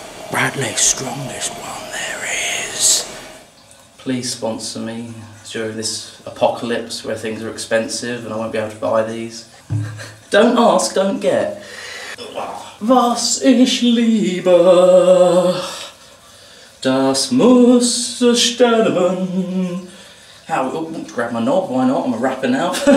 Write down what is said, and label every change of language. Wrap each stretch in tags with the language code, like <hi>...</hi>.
<en>Bradley's strongest one there is. Please sponsor me during this apocalypse where things are expensive and I won't be able to buy these. Don't ask, don't get.</en> <de>Was ich liebe, das muss sterben.</de> <en>How, oh, grab my knob, why not? I'm a rapper now.</en>